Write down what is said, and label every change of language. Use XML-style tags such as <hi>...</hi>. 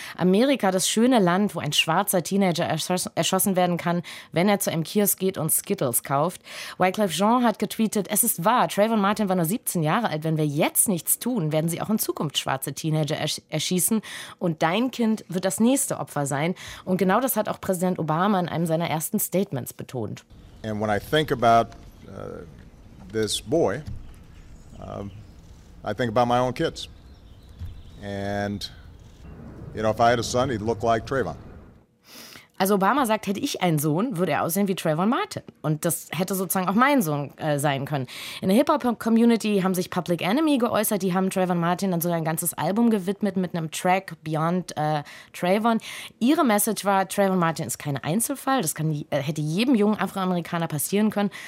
<de>Amerika, das schöne Land, wo ein schwarzer Teenager erschossen werden kann, wenn er zu einem Kiosk geht und Skittles kauft. Wyclef Jean hat getweetet, es ist wahr, Trayvon Martin war nur 17 Jahre alt. Wenn wir jetzt nichts tun, werden sie auch in Zukunft schwarze Teenager erschießen und dein Kind wird das nächste Opfer sein. Und genau das hat auch Präsident Obama in einem seiner ersten Statements betont.</de> <en>And when I think about this boy, I think about my own kids. And you know, if I had a son, he'd look like Trayvon.</en> <de>Also Obama sagt, hätte ich einen Sohn, würde er aussehen wie Trayvon Martin. Und das hätte sozusagen auch mein Sohn sein können. In der Hip-Hop-Community haben sich Public Enemy geäußert. Die haben Trayvon Martin dann sogar ein ganzes Album gewidmet mit einem Track Beyond Trayvon. Ihre Message war, Trayvon Martin ist kein Einzelfall. Das hätte jedem jungen Afroamerikaner passieren können.</de>